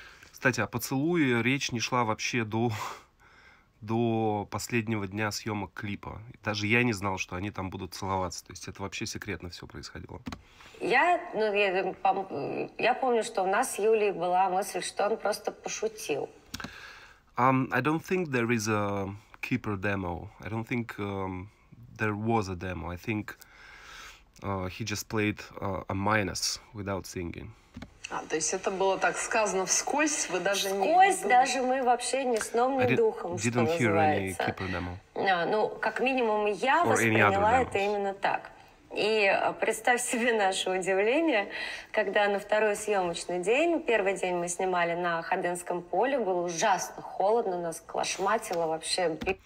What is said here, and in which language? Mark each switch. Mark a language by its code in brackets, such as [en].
[ru] Кстати, о поцелуе речь не шла вообще до последнего дня съемок клипа. Даже я не знал, что они там будут целоваться. То есть это вообще секретно все происходило. Я помню, что у нас с Юлей была мысль, что он просто пошутил. [en] I don't think there is a Keeper demo. I don't think there was a demo. I think he just played a minus without singing. [ru] А, то есть это было так сказано вскользь, вы даже вскользь не... Вскользь даже мы вообще ни сном, ни духом, что называется. [en] Didn't hear any Keeper demo. [ru] Ну, как минимум, я восприняла это именно так. И представь себе наше удивление, когда на второй съемочный день, первый день мы снимали на Ходынском поле, было ужасно холодно, нас клошматило вообще.